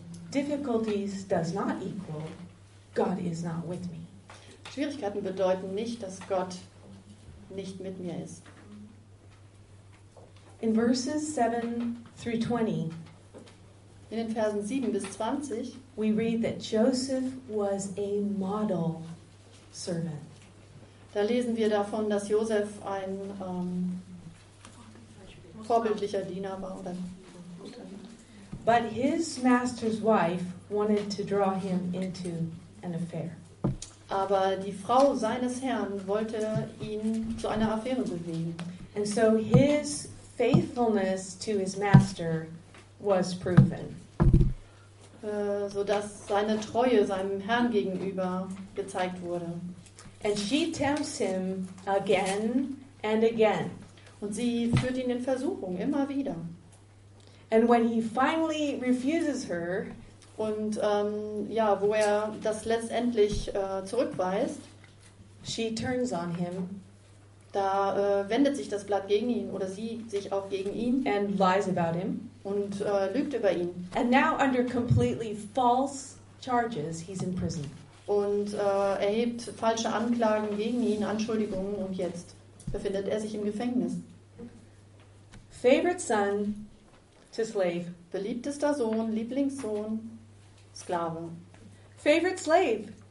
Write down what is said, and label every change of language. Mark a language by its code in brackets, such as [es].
[en] Difficulties does not equal God is not with me. [de] Schwierigkeiten bedeuten nicht, dass Gott nicht mit mir ist. [en] In verses 7 through 20, [de] in den Versen 7 bis 20, [en] we read that Joseph was a model servant. [de] Da lesen wir davon, dass Joseph ein vorbildlicher Diener war. [en] But his master's wife wanted to draw him into an affair. [de] Aber die Frau seines Herrn wollte ihn zu einer Affäre bewegen. [en] And so his faithfulness to his master was proven. [de] So dass seine Treue seinem Herrn gegenüber gezeigt wurde. [en] And she tempts him again and again. [de] Und sie führt ihn in Versuchung immer wieder. [en] And when he finally refuses her, [de] und ja, wo er das letztendlich zurückweist, [en] she turns on him. [de] Da wendet sich das Blatt gegen ihn oder sie sich auch gegen ihn. [en] And lies about him. [de] Und lügt über ihn. [en] And now under completely false charges, he's in prison. [de] Und erhebt falsche Anklagen gegen ihn, Anschuldigungen, und jetzt befindet er sich im Gefängnis. [en] Favorite son. To slave. [de] Beliebtester Sohn, Lieblingssohn, Sklave. [en] Favorite slave.